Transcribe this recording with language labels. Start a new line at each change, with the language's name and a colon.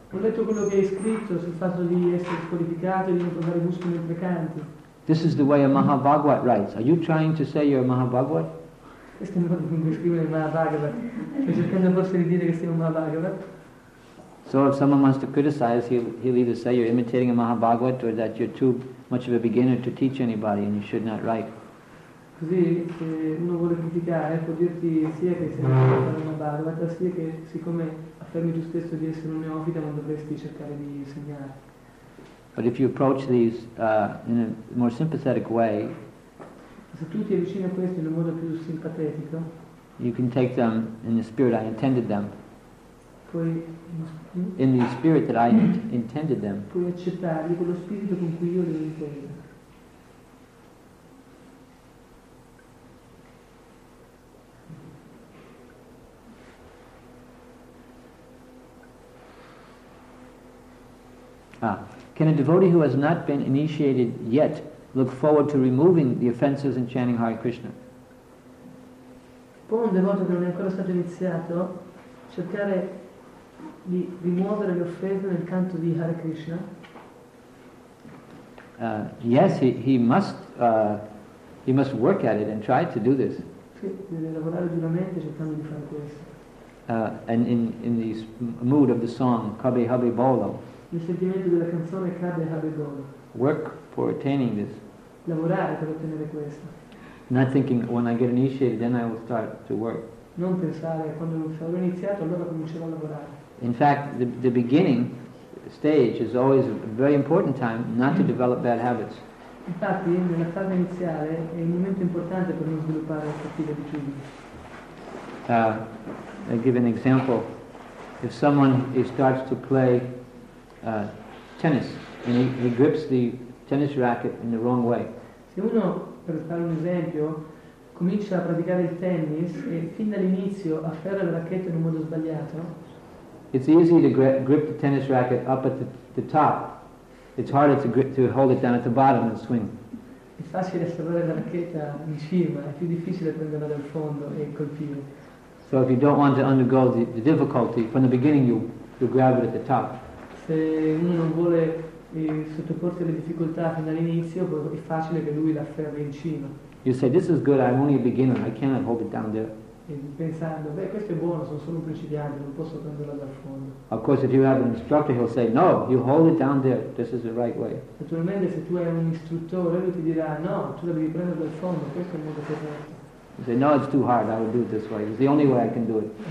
Italian: Ho letto quello che hai scritto sul fatto di essere squalificato e di non trovare gusto mentre canti.
English: This is the way a Mahabhagavat writes. Are you trying to say you're a Mahabhagavat?
Italian: Questo è il modo in cui scrive il Mahabhagavat. Stai cercando forse di dire che sei un Mahabhagavat?
English: So if someone wants to criticize, he'll either say you're imitating a Mahabhagavat or that you're too much of a beginner to teach anybody and you should not write.
Italian: Così, se uno vuole criticare, può dirti sia che sei un Mahabhagavat, sia che siccome affermi tu stesso di essere un neofita, non dovresti cercare di insegnare.
English: But if you approach these in a more sympathetic way,
Italian: se tu ti avvicini a questo in un modo più simpatico,
English: you can take them in the spirit I intended them. In the spirit that I intended them.
Italian: Puoi accettarli con lo spirito con cui io li ho intesi.
English: Can a devotee who has not been initiated yet look forward to removing the offenses in chanting Hare Krishna?
Italian: Può un devoto che non è ancora stato iniziato cercare di rimuovere le offese nel canto di Hare Krishna?
English: Yes, he must work at it and try to do this.
Italian: Sì, deve lavorare duramente cercando di fare questo.
English: And in the mood of the song Kabe Habe Bolo.
Italian: Il sentimento della canzone Kabe Habe Bolo.
English: Work for attaining this.
Italian: Lavorare per ottenere questo.
English: Not thinking when I get initiated then I will start to work.
Italian: Non pensare quando sarò iniziato allora comincerò a lavorare.
English: In fact, the beginning stage is always a very important time not to develop bad habits.
Italian: Infatti, nella fase iniziale è un momento importante per non sviluppare cattive abitudini.
English: I give an example. If someone starts to play tennis and he grips the tennis racket in the wrong way.
Italian: Se uno, per fare un esempio, comincia a praticare il tennis e fin dall'inizio afferra la racchetta in un modo sbagliato.
English: It's easy to grip the tennis racket up at the top. It's harder to hold it down at the bottom and swing.
Italian: È facile afferrare la racchetta in cima, è più difficile prenderla dal fondo e colpire.
English: So if you don't want to undergo the difficulty from the beginning, you grab it at the top.
Italian: Se uno non vuole sottoporsi alle difficoltà fin dall'inizio, è facile che lui la afferri in cima.
English: You say, this is good, I'm only a beginner, I cannot hold it down there.
Italian: E pensando, beh, questo è buono, sono solo un principiante, non posso prenderla dal fondo.
English: Of course, if you have an instructor, he'll say, no, you hold it down there, this is the right way.
Italian: Naturalmente, se tu hai un istruttore, lui ti dirà, no, tu la devi prendere dal fondo, questo è il modo corretto.
English: You say, no, it's too hard, I will do it this way. It's the only way I can do it.